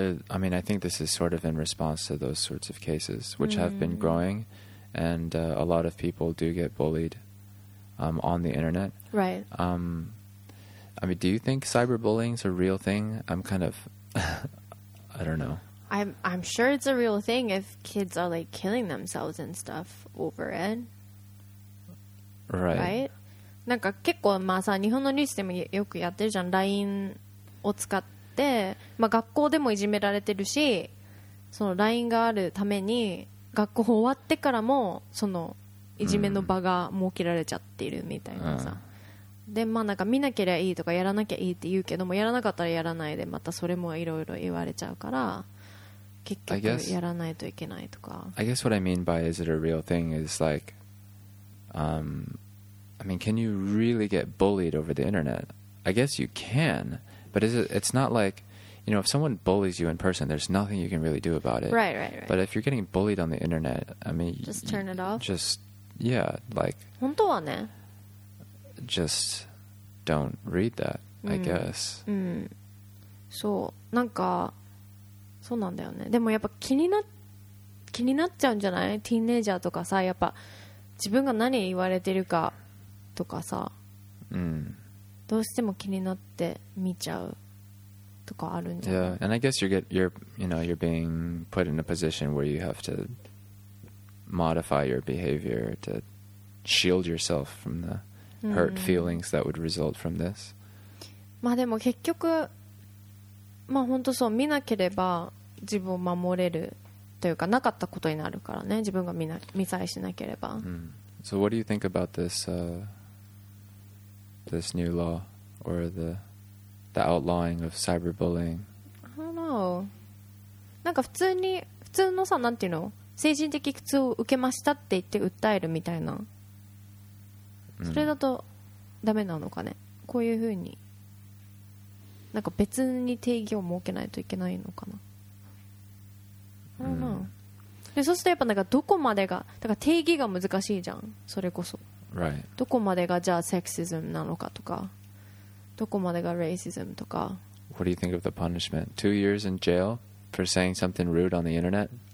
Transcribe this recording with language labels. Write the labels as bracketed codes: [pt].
[en] I mean, I think this is sort of in response to those sorts of cases, which have been growing, and a lot of people do get bullied on the internet. Right. I mean, do you think cyberbullying is a real thing? I'm kind of, I don't know. I'm sure it's a real thing if kids are like killing themselves and stuff over it. Right. [ja] なんか結構まあさ、日本のニュースでもよくやってるじゃん。LINE を使ってでまあ、学校でもいじめられてるし、その LINE があるために学校終わってからもそのいじめの場が設けられちゃっているみたいなさ、でまあなんか見なければいいとかやらなきゃいいって言うけども、やらなかったらやらないでまたそれもいろいろ言われちゃうから、結局やらないといけないとか。 [en] I guess what I mean by is it a real thing is like I mean, can you really get bullied over the internet? I guess you can. But it's not like, you know, if someone bullies you in person, there's nothing you can really do about it. Right. But if you're getting bullied on the internet, I mean... Just turn it off? Just, yeah, like... [ja] 本当はね。 [en] Just don't read that, I guess. [ja] そう、なんか、そうなんだよね。でもやっぱ気になっちゃうんじゃない？ティーネイジャーとかさ、やっぱ自分が何言われてるかとかさ。どうしても気になって見ちゃうとかあるんじゃない。 [en] Yeah, and I guess you're being put in a position where you have to modify your behavior to shield yourself from the hurt feelings that would result from this. [ja] まあでも結局、まあ本当そう、見なければ自分を守れるというか、なかったことになるからね、自分が見さえしなければ。 [en] So what do you think about this? This new law or the outlawing of cyberbullying? I don't know. [ja] なんか普通のさ、なんていうの、精神的苦痛を受けましたって言って訴えるみたいな。それだとダメなのかね。こういうふうになんか別に定義を設けないといけないのかな。 [en] I don't know. [ja] でそうするとやっぱなんかどこまでが、だから定義が難しいじゃん。それこそ。 [en] Right. [ja] どこまでがじゃあセクシズムなのかとか、どこまでがレイシズムとか。 [en] what do you think of the punishment? 2 years in jail for saying something rude on the internet?